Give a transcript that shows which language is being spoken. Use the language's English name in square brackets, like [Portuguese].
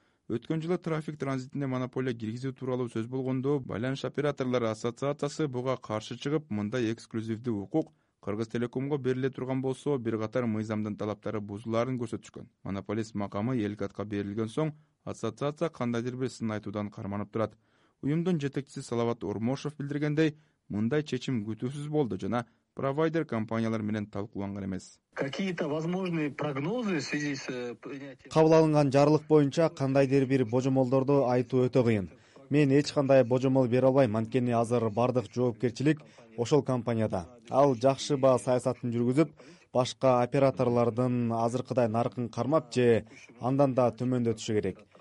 [Kyrgyz] Өткөн жылы трафик транзитине монополия киргизүү тууралуу сөз болгондо, байланыш операторлору ассоциациясы буга каршы чыгып, мындай эксклюзивдүү укук Кыргыз Телекомго бериле турган болсо, бир катар мыйзамдын талаптары бузуларын көрсөтүшкөн. Монополист макамы Элкатка берилген соң, ассоциация кандайдыр бир сын айтуудан карманып турат. Уюмдун жетекчиси Салават Ормошов билдиргендей, мындай чечим күтүүсүз болду жана провайдер компаниялар менен талкууланган эмес. [Russian] Какие-то возможные прогнозы в связи с принятием. [Kyrgyz] Кабыл алынган жарлык боюнча кандайдыр бир божомолдорду айтуу өтө кыйын. Мен эч кандай божомол бере албайм, анткени азыр бардык жоопкерчилик ошол компанияда. Ал жакшы ба саясатын жүргүзүп, башка операторлордун азыркыдай нарыгын кармап же андан да төмөндөтүшү керек.